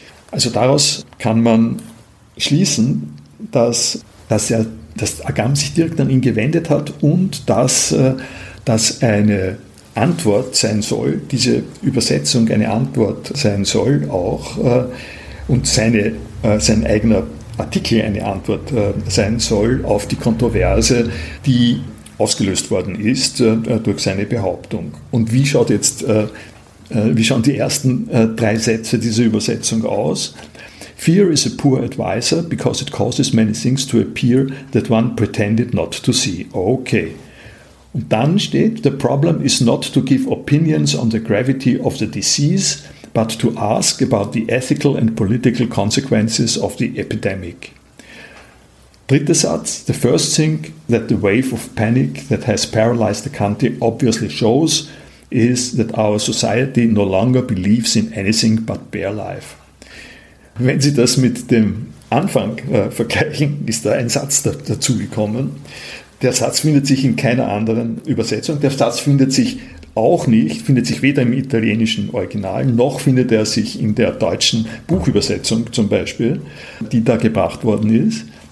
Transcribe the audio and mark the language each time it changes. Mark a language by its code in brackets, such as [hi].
[de] Also daraus kann man schließen, dass Agamben sich direkt an ihn gewendet hat und dass eine Antwort sein soll, diese Übersetzung eine Antwort sein soll auch und sein eigener Artikel eine Antwort sein soll auf die Kontroverse, die ausgelöst worden ist durch seine Behauptung. Und wie schaut jetzt, wie schauen die ersten drei Sätze dieser Übersetzung aus? [en] Fear is a poor advisor because it causes many things to appear that one pretended not to see. Okay. [de] Und dann steht, [en] the problem is not to give opinions on the gravity of the disease, but to ask about the ethical and political consequences of the epidemic. [de] Dritter Satz, [en] the first thing that the wave of panic that has paralyzed the country obviously shows is that our society no longer believes in anything but bare life. [de] Wenn Sie das mit dem Anfang vergleichen, ist da ein Satz dazu gekommen. Der Satz findet sich in keiner anderen Übersetzung. Der Satz findet sich weder im italienischen Original, noch findet er sich in der deutschen Buchübersetzung zum Beispiel, die da gebracht worden ist.